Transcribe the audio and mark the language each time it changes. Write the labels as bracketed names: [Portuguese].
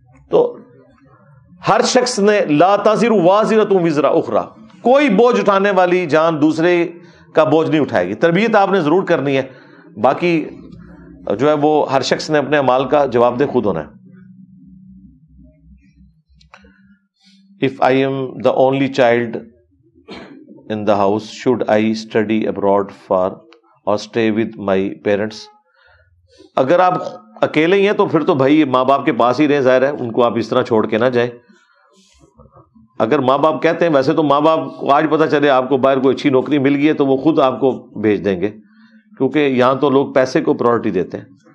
[Urdu] تو ہر شخص نے [Arabic] لا تزر وازرۃ وزر اخرى, [Urdu] کوئی بوجھ اٹھانے والی جان دوسرے کا بوجھ نہیں اٹھائے گی. تربیت آپ نے ضرور کرنی ہے, باقی جو ہے وہ ہر شخص نے اپنے اعمال کا جواب دے خود ہونا ہے. [English] If I am the only child in the house, should I study abroad for or stay with my parents? [Urdu] اگر آپ اکیلے ہی ہیں تو پھر تو بھائی ماں باپ کے پاس ہی رہیں, ظاہر ہے ان کو آپ اس طرح چھوڑ کے نہ جائیں. اگر ماں باپ کہتے ہیں, ویسے تو ماں باپ کو آج پتا چلے آپ کو باہر کوئی اچھی نوکری مل گئی ہے تو وہ خود آپ کو بھیج دیں گے, کیونکہ یہاں تو لوگ پیسے کو پرائورٹی دیتے ہیں.